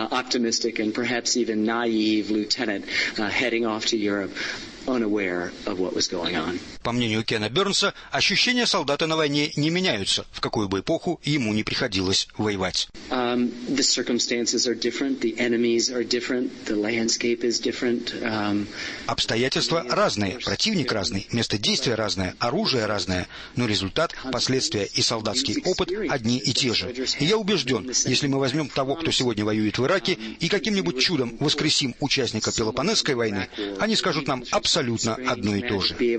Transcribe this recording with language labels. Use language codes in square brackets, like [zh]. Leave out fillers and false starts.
[en] Optimistic and perhaps even naive lieutenant heading off to Europe. unaware of what was going on. [ru] По мнению Кена Бёрнса, ощущения солдата на войне не меняются, в какую бы эпоху ему не приходилось воевать. [en] The circumstances are different, the enemies are different, the landscape is different. [ru] Обстоятельства разные, противник разный, место действия разное, оружие разное, но результат, последствия и солдатский опыт одни и те же. И я убежден, если мы возьмем того, кто сегодня воюет в Ираке, и каким-нибудь чудом воскресим участника Пелопоннесской войны, они скажут нам абсолютно одно и то же.